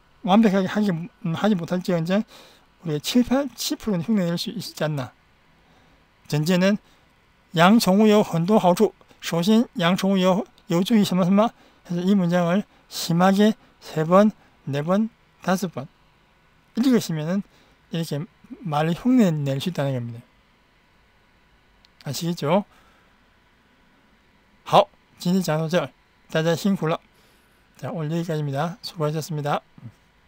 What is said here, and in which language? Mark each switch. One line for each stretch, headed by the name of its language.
Korean: 완벽하게 하지 못할지언정 우리가 7-8%는 흉내낼 수 있지 않나. 전제는 양宠物有很多好处. 首先 양宠物有助于什么什么 해서 이 문장을 심하게 3번, 4번, 5번 읽으시면은 이렇게 말을 흉내낼 수 있다는 겁니다. 아시겠죠?
Chinese: 好,今天讲到这儿,大家辛苦了。
Korean: 자, 오늘 여기까지입니다. 수고하셨습니다.